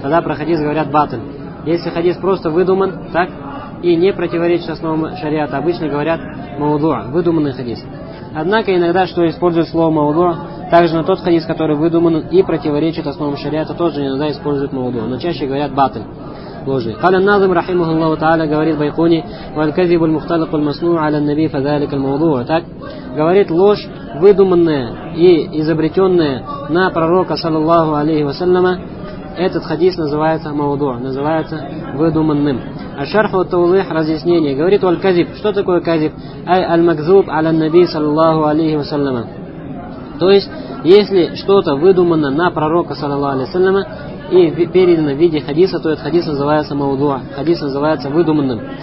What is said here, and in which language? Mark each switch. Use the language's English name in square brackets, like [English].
[Russian] Тогда про хадис говорят батль. Если хадис просто выдуман, так, и не противоречит основам шариата, обычно говорят маудуа, выдуманный хадис. Однако иногда, что используют слово маудуа, также на тот хадис, который выдуман и противоречит основам шариата, тоже иногда используют маудуа, но чаще говорят батль. [Arabic] قال الناظم رحمه الله تعالى [Russian] говорит Байкуни [Arabic] والكذب المختلق المصنوع على النبي فذلك الموضوع. [Russian] Так говорит: ложь выдуманная и изобретенная на пророка саллаллаху алейхи ва саллям, этот хадис называется маудуа, называется выдуманным. А шарх ва тавдих, разъяснение, говорит: والكذب, что такое كذب? [Arabic] اي المكذوب على النبي [Russian] саллаллаху алейхи ва саллям, то есть если что-то выдумано на пророка саллаллаху алейхи ва саллям и передано в виде хадиса, то этот хадис называется маудуа, хадис называется выдуманным.